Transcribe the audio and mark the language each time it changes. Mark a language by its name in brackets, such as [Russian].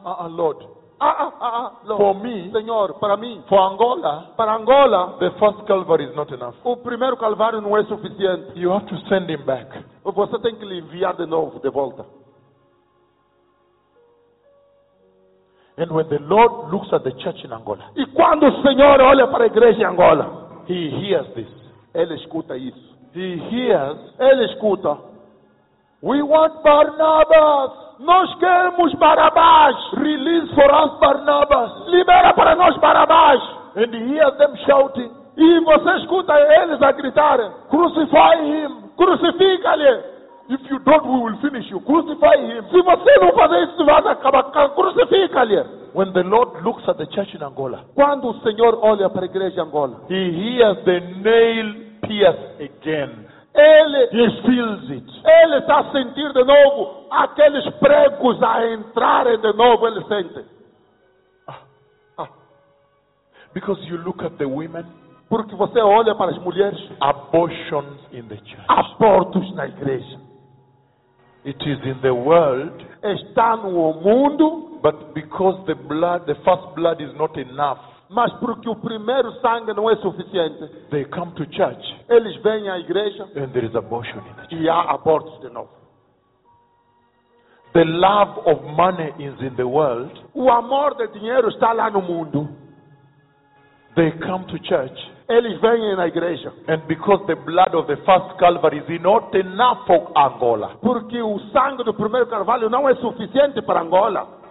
[English] Lord. Lord. For me, [Portuguese] Senhor, para mim, [English] for Angola, [Portuguese] para Angola, [English] the first Calvary is not enough. [Portuguese] O primeiro calvário não é suficiente. [English] You have to send him back. [Portuguese] Você tem que lhe enviar de novo, de volta. [English] And when the Lord looks at the church in Angola, [Portuguese] e quando o Senhor olha para a igreja em Angola, [English] he hears this. [Portuguese] Ele escuta isso. [English] He hears. [Portuguese] Ele escuta. [English] We want Barnabas. [Portuguese] Nós queremos Barabás. [English] Release for us Barnabas. [Portuguese] Libera para nós Barabás. [English] And hear them shouting. [Portuguese] E você escuta eles a gritar. [English] Crucify him. [Portuguese] Crucifica-lhe. [English] If you don't, we will finish you. Crucify him. [Portuguese] Se você não fazer isso, vai acabar. Crucifica-lhe. [English] When the Lord looks at the church in Angola, [Portuguese] quando o Senhor olha para a igreja em Angola, [English] he hears the nail pierce again. [Portuguese] Ele, [English] he feels it. [Portuguese] Ele está a sentir de novo aqueles pregos a entrarem de novo. Ele sente. [English] Because you look at the women, [Portuguese] porque você olha para as mulheres. [English] Abortions in the church. [Portuguese] Abortos na igreja. [English] It is in the world. [Portuguese] Está no mundo. [English] But because the blood, the first blood is not enough. [Portuguese] Mas porque o primeiro sangue não é suficiente. [English] They come to church. [Portuguese] Eles vêm à igreja. [English] And there is abortion in the church. [Portuguese] E há abortos de novo. [English] The love of money is in the world. [Portuguese] O amor de dinheiro está lá no mundo. [English] They come to church. [Portuguese] Eles vêm na igreja. [English] And because the blood of the first Calvary is not enough for Angola. [Portuguese] Porque o sangue do primeiro calvário não é suficiente para Angola.